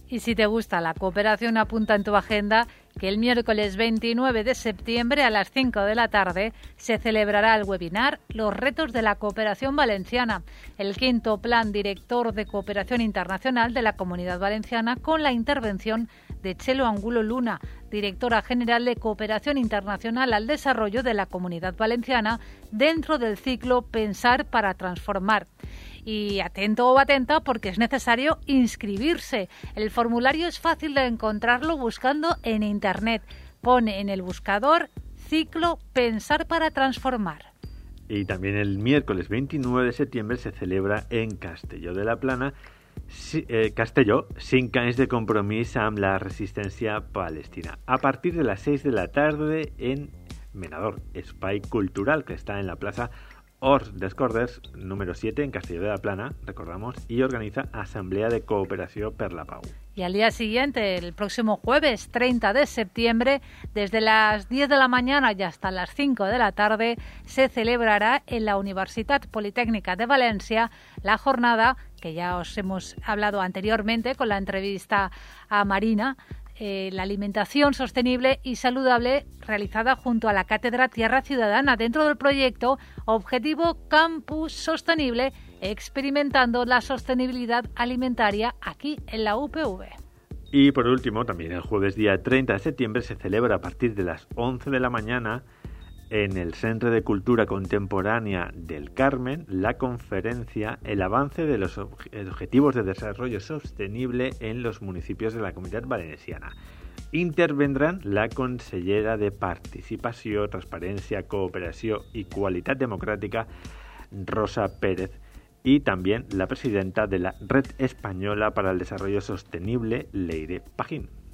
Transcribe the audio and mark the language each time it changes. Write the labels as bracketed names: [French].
[Spanish] Y si te gusta la cooperación, apunta en tu agenda que el miércoles 29 de septiembre a las 5 de la tarde se celebrará el webinar Los retos de la cooperación valenciana, el quinto plan director de cooperación internacional de la Comunidad Valenciana, con la intervención de Txelo Angulo Luna, directora general de Cooperación Internacional al Desarrollo de la Comunidad Valenciana, dentro del ciclo Pensar para Transformar. Y atento o atenta, porque es necesario inscribirse. El formulario es fácil de encontrarlo buscando en internet. Pone en el buscador ciclo Pensar para Transformar. Y también el miércoles 29 de septiembre se celebra en Castelló de la Plana, Castelló, 5 anys de compromís amb la resistència palestina. [Catalan] A partir de les 6 de la tarde en Menador, espai cultural que està en la plaça Horts dels Corders, número 7, en Castelló de la Plana, recordamos, i organitza Assemblea de Cooperació per la Pau. [Spanish] Y al día siguiente, el próximo jueves 30 de septiembre, desde las 10 de la mañana y hasta las 5 de la tarde, se celebrará en la Universitat Politécnica de València la jornada, que ya os hemos hablado anteriormente con la entrevista a Marina, la alimentación sostenible y saludable realizada junto a la Cátedra Tierra Ciudadana dentro del proyecto Objetivo Campus Sostenible, experimentando la sostenibilidad alimentaria aquí en la UPV. Y por último, también el jueves día 30 de septiembre se celebra a partir de las 11 de la mañana en el Centro de Cultura Contemporánea del Carmen la conferencia El avance de los Objetivos de Desarrollo Sostenible en los Municipios de la Comunidad Valenciana. Intervendrán la consellera de Participació, Transparència, Cooperació i Qualitat Democràtica, Rosa Pérez, y también la presidenta de la Red Española para el Desarrollo Sostenible, Leire Pagín.